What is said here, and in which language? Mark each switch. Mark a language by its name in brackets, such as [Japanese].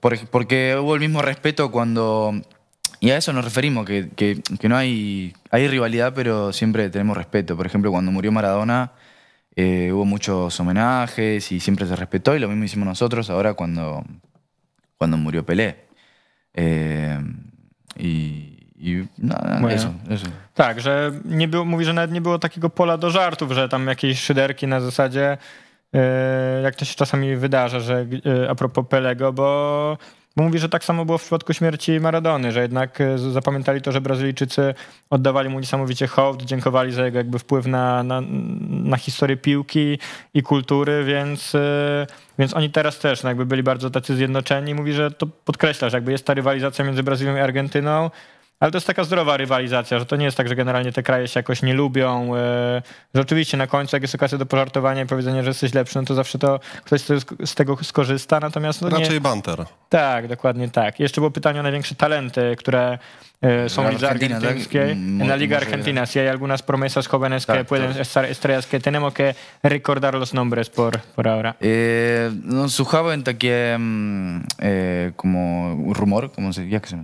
[Spanish] porque hubo el mismo respeto cuando, y a eso nos referimos, que no hay rivalidad, pero siempre tenemos respeto. Por ejemplo, cuando murió Maradona, hubo muchos homenajes y siempre se respetó, y lo mismo hicimos nosotros ahora cuando murió Pelé. Eso. [Polish] Tak, że nie było, mówi, że nawet nie było takiego pola do żartów, że tam jakieś szyderki na zasadzie, jak to się czasami wydarza, że a propos Pelego, bo mówi, że tak samo było w przypadku śmierci Maradony, że jednak zapamiętali to, że Brazylijczycy oddawali mu niesamowicie hołd, dziękowali za jego jakby wpływ na historię piłki i kultury, więc oni teraz też jakby byli bardzo tacy zjednoczeni. Mówi, że to podkreśla, że jakby jest ta rywalizacja między Brazylią i Argentyną, ale to jest taka zdrowa rywalizacja, że to nie jest tak, że generalnie te kraje się jakoś nie lubią, że oczywiście na końcu, jak jest okazja do pożartowania i powiedzenia, że jesteś lepszy, no to zawsze to ktoś z tego skorzysta, natomiast... No raczej nie... [English] banter. [Polish] Tak, dokładnie tak. Jeszcze było pytanie o największe talenty, które są w lidze argentyńskiej. [Spanish] Na Liga Argentina, si hay algunas promesas jóvenes que pueden estar estrellas que tenemos que recordar los nombres por ahora. [Polish] No, słuchałem takie [Spanish] como rumor, como se dice?